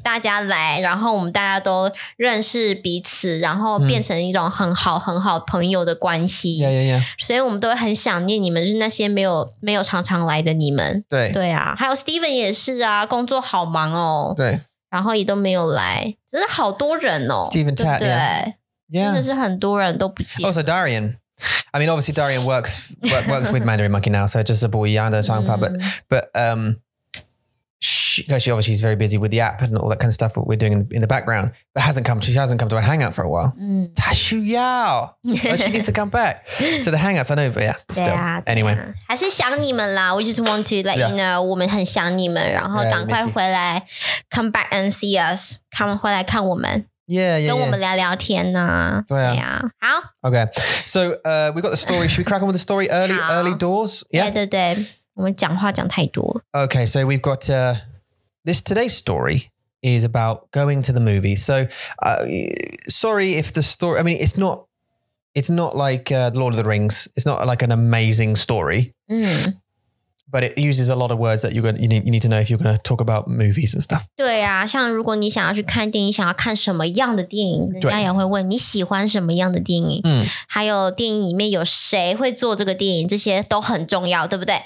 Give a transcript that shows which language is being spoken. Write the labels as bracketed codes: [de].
[zh] 大家来然后我们大家都认识彼此然后变成一种很好很好朋友的关系 [en] yeah, yeah, yeah. [zh] 所以我们都会很想念你们就是那些没有常常来的你们对对啊还有 Steven 也是啊工作好忙哦对然后也都没有来真的好多人哦 [en] Steven Tat [zh] 对, 对、 [en] yeah. [zh] 真的是很多人都不见 [en] also DarianI mean, obviously, Darian works with Mandarin Monkey now, so just a boy, yeah, under time for, but she obviously is very busy with the app and all that kind of stuff that we're doing in the background, but she hasn't come to a hangout for a while. Ta Shu Yao! She needs to come back to the hangouts, I know, but yeah, still, anyway. [zh] 还是想你们啦, [en] we just want to let you know, [zh] 我们很想你们, 然后赶快回来, [en] come back and see us, [zh] 回来看我们。 [en] Yeah, yeah, yeah. [zh] 跟我们聊聊天呢。对啊。好。 [en] Okay. So, we've got the story. Should we crack on with the story? Early doors? Yeah, [zh] 对对对。我们讲话讲太多。 [en] Okay, so we've got, this today's story is about going to the movie. So, sorry if the story, I mean, it's not like, Lord of the Rings. It's not like an amazing story. But it uses a lot of words that you need to know if you're going to talk about movies and stuff. [zh] 对啊，像如果你想要去看电影，想要看什么样的电影，人家也会问你喜欢什么样的电影。嗯，还有电影里面有谁会做这个电影，这些都很重要，对不对？